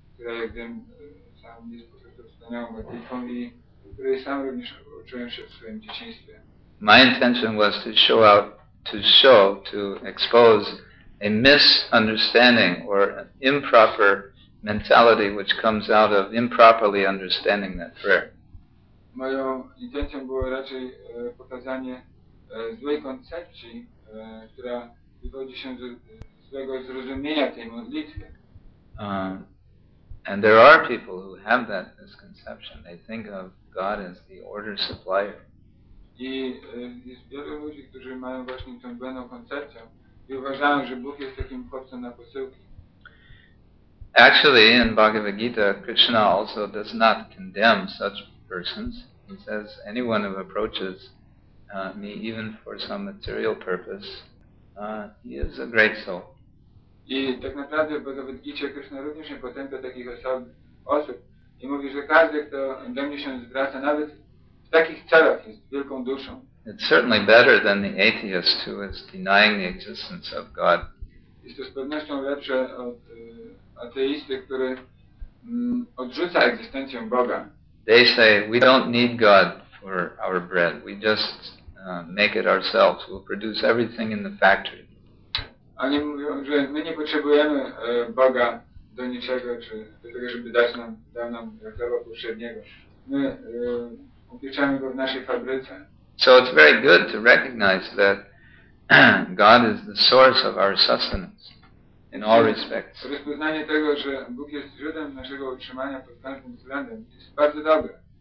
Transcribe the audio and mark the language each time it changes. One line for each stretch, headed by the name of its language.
Polish: które jak wiem, sam nie sposób wspaniałą modlitwą i której sam również uczyłem się w swoim dzieciństwie.
English: My intention was to show out, to show, to expose a misunderstanding or an improper mentality which comes out of improperly understanding that prayer.
Polish: Moją intencją było raczej pokazanie złej koncepcji, która wywodzi się ze złego zrozumienia tej modlitwy.
English: And there are people who have that misconception. They think of God as the order supplier.
Polish: I jest wielu ludzi, którzy mają właśnie tą błędną koncepcję i uważają, że Bóg jest takim chłopcem na posyłki.
English: Actually, in Bhagavad Gita, Krishna also does not condemn such persons. He says, anyone who approaches me, even for some material purpose, he is a great soul.
Polish: I tak naprawdę w Bhagavad Gita Krishna również nie potępia takich osób i mówi, że każdy, kto do mnie się zwraca, nawet w takich celach jest wielką duszą.
English: It's certainly better than the atheist who is denying the existence of God.
Polish: Jest to z pewnością lepsze od ateisty, który odrzuca egzystencję Boga.
English: They say, we don't need God for our bread. We just make it ourselves. We'll produce everything in the factory.
Polish: Oni mówią, że my nie potrzebujemy Boga do niczego, czy do tego, żeby dał nam chleba powszedniego. My upieczamy go w naszej fabryce.
English: So it's very good to recognize that God is the source of our sustenance in all respects.
Polish: Rozpoznanie tego, że Bóg jest źródłem naszego utrzymania pod każdym względem, jest bardzo dobre.